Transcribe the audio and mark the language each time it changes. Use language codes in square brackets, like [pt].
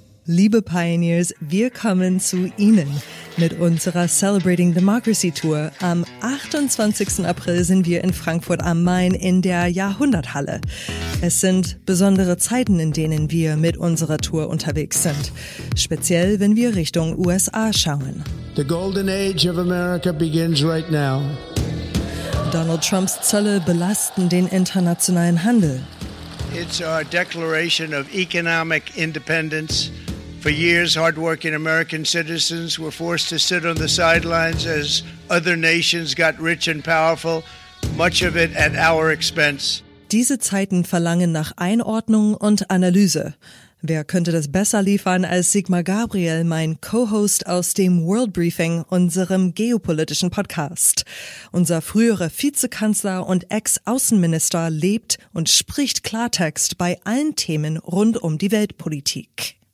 [de] Liebe Pioneers, wir kommen zu Ihnen mit unserer Celebrating Democracy Tour. Am 28. April sind wir in Frankfurt am Main in der Jahrhunderthalle. Es sind besondere Zeiten, in denen wir mit unserer Tour unterwegs sind. Speziell, wenn wir Richtung USA schauen. [en] The golden age of America begins right now. [de] Donald Trumps Zölle belasten den internationalen Handel. [en] It's our declaration of economic independence. For years, hardworking American citizens were forced to sit on the sidelines as other nations got rich and powerful, much of it at our expense. [de] Diese Zeiten verlangen nach Einordnung und Analyse. Wer könnte das besser liefern als Sigmar Gabriel, mein Co-Host aus dem World Briefing, unserem geopolitischen Podcast? Unser früherer Vizekanzler und Ex-Außenminister lebt und spricht Klartext bei allen Themen rund um die Weltpolitik.